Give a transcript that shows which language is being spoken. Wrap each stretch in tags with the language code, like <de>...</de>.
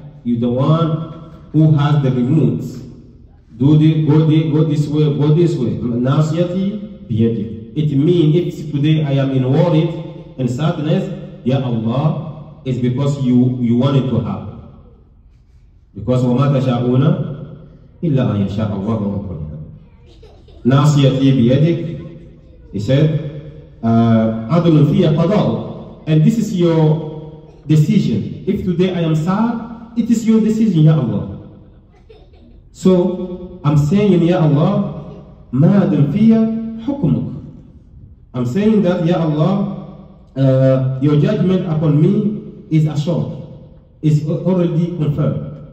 <en>You're the one who has the remote. Go this way.</en> <ar>Nasiyati biyadi.</ar> <en>It means if today I am in worry and sadness, Ya Allah, it's because you want it to happen.</en> <ar>Because وَمَا تَشَاءُونَ إِلَّا أَنْ يَشَاءَ اللَّهُ رَبُّ الْعَالَمِينَ. Nasiyati biyadi.</ar> <en>He said,</en> <ar>عَدْلٌ فِيَ قَضَاءُ.</ar> <en>And this is your decision. If today I am sad, it is your decision, Ya Allah. So I'm saying, Ya Allah,</en> <ar>ma adun fiya hukumuk.</ar> <en>I'm saying that, Ya Allah, your judgment upon me is assured, is already confirmed.</en>